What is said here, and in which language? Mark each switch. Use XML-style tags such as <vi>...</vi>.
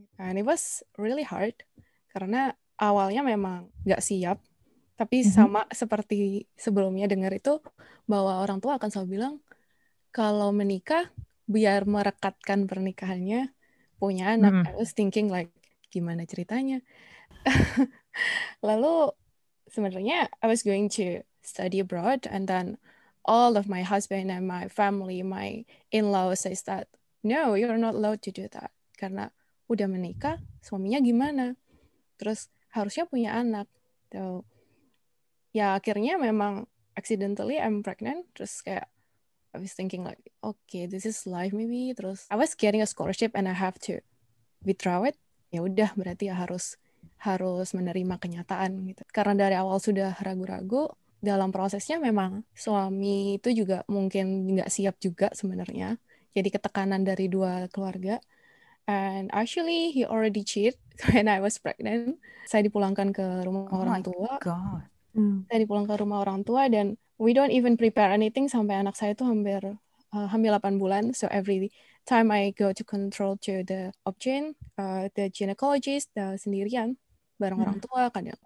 <en>And it was really hard.</en> <id>Karena awalnya memang gak siap. Tapi sama seperti sebelumnya dengar itu, bahwa orang tua akan selalu bilang, kalau menikah, biar merekatkan pernikahannya, punya anak.</id> <en>I was thinking like,</en> <id>gimana ceritanya? Lalu sebenarnya</id> <en>I was going to study abroad and then all of my husband and my family, my in-laws says that, no, you're not allowed to do that.</en> <id>Karena udah menikah, suaminya gimana? Terus harusnya punya anak.</id> <en>So,</en> <id>ya akhirnya memang</id> <en>accidentally I'm pregnant.</en> <id>Terus kayak,</id> <en>I was thinking like, okay, this is life maybe. Terus I was getting a scholarship and I have to withdraw it.</en> <id>Ya udah, berarti ya harus menerima kenyataan gitu. Karena dari awal sudah ragu-ragu, dalam prosesnya memang suami itu juga mungkin nggak siap juga sebenarnya. Jadi ketekanan dari dua keluarga.</id> <en>And actually he already cheated when I was pregnant.</en> <id>Saya dipulangkan ke rumah orang tua.</id> <en>Oh my God.</en> <id>Saya dipulangkan ke rumah orang tua dan</id> <en>we don't even prepare anything</en> <id>sampai anak saya itu hampir 8 bulan.</id> <en>So every time I go to control to the obgyn, the gynecologist, the</en> <id>sendirian bareng orang tua kadang.</id>